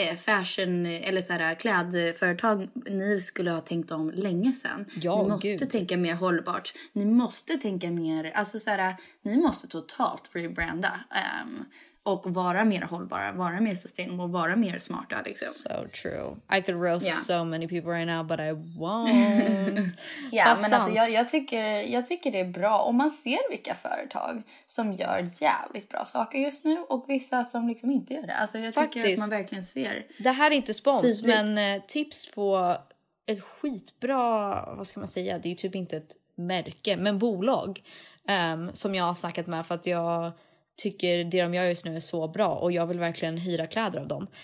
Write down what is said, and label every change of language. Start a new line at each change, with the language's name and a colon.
Swedish: Fashion eller så här, klädföretag, ni skulle ha tänkt om länge sedan. Ni måste tänka mer hållbart. Ni måste tänka mer, alltså så här, ni måste totalt rebranda och vara mer hållbara, vara mer sustainable och vara mer smarta liksom.
English: So true. I could roast so many people right now, but I won't.
Swedish: jag tycker det är bra om man ser vilka företag som gör jävligt bra saker just nu och vissa som liksom inte gör det. Alltså tycker att man verkligen ser. Det här är inte spons, tydligt. Men tips på ett skitbra, vad ska man säga, det är ju typ inte ett märke, men bolag som jag har snackat med, för att jag tycker det de gör just nu är så bra och jag vill verkligen hyra kläder av dem.